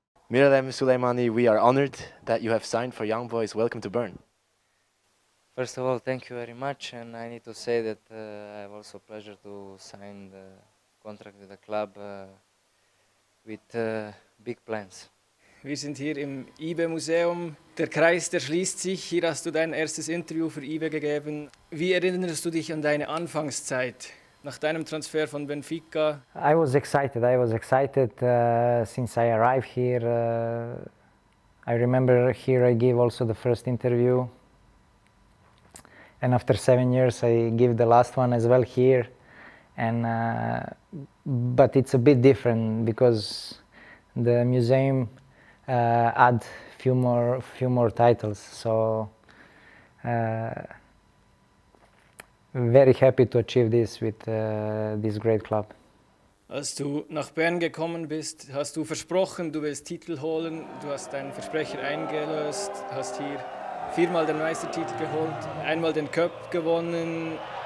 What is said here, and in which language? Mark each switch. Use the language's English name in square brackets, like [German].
[English] Miralem Sulejmani, we are honored that you have signed for Young Boys. Welcome to Bern. First of all, thank you very much, and I need to say that I have also pleasure to sign the contract with the club with big plans. [German] Wir sind hier im YB-Museum. Der Kreis, der schließt sich. Hier hast du dein erstes Interview für YB gegeben. Wie erinnerst du dich an deine Anfangszeit nach deinem Transfer von Benfica? [English] I was excited since I arrived here. I remember here I gave also the first interview. And after 7 years, I give the last one as well here. And but it's a bit different because the museum add few more titles. So very happy to achieve this with this great club. [German] Als du nach Bern gekommen bist, hast du versprochen, du willst Titel holen. Du hast deinen Versprecher eingelöst, hast hier 4-mal den Meistertitel geholt, 1-mal den Cup gewonnen.